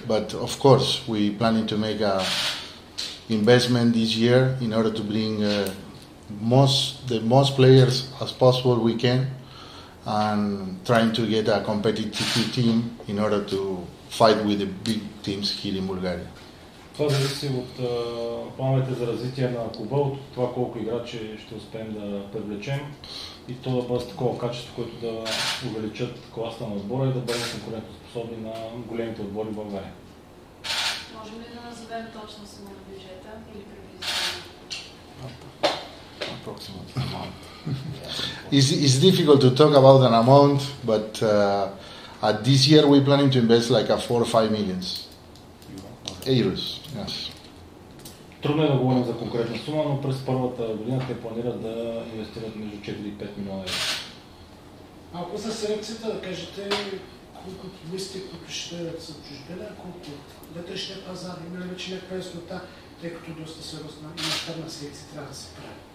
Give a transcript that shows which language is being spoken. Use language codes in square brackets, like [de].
[en] But of course, we planning to make a investment this year in order to bring the most players as possible we can and trying to get a competitive team in order to fight with the big teams here in Bulgaria. [bg] Това зависи от плановете за развитие на клуба, от това колко играчи ще успеем да привлечем и то да бъде с такова качество, което да увеличат класа на отбора и да бъдем конкурентоспособни на големите отбори в България. Можем ли да назовем точно сума на бюджета или приблизително? [en] Approximately amount. It's difficult to talk about an amount, but at this year we planning to invest like a 4-5 millions. Eros, yes. [bg] Трудно е да говорим за конкретна сума, но през първата година те планират да инвестират между 4 и 5 милиона евро. Ако са селекцията, да кажете колко мисли, които ще дадат са чужбина, колко вътрешния пазар, има ли вече някаква яснота, тъй като доста сериозна и мащабна селекция трябва да се прави.